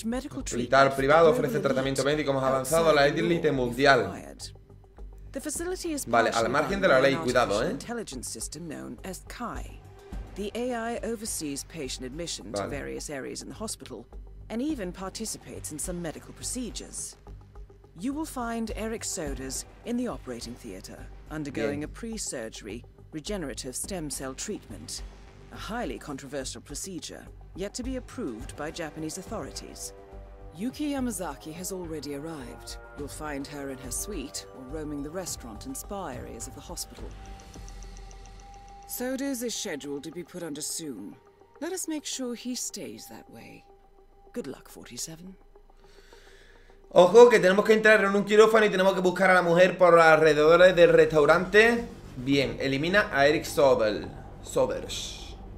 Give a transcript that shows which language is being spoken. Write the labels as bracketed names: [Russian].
[Spanish] Hospital privado ofrece tratamiento médico más avanzado a la élite mundial. [English] The facility is [Spanish] vale, al margen de la ley, cuidado, [English] intelligence system known as Kai. The AI oversees patient admission [Spanish] vale. [English] to various areas in the hospital and even participates in some medical procedures. You will find Eric Soders in the operating theater undergoing [Spanish] Bien. [English] A pre-surgery regenerative stem cell treatment, a highly controversial procedure yet to be approved by Japanese authorities. Yuki Yamazaki has already arrived. You'll find her in her suite or roaming the restaurant and spa areas of the hospital. Soders is scheduled to be put under soon. Let us make sure he stays that way. Good luck, 47. [Spanish] Ojo, que tenemos que entrar en un quirófano y tenemos que buscar a la mujer por alrededores del restaurante. Bien, elimina a Eric Sobel. Soders.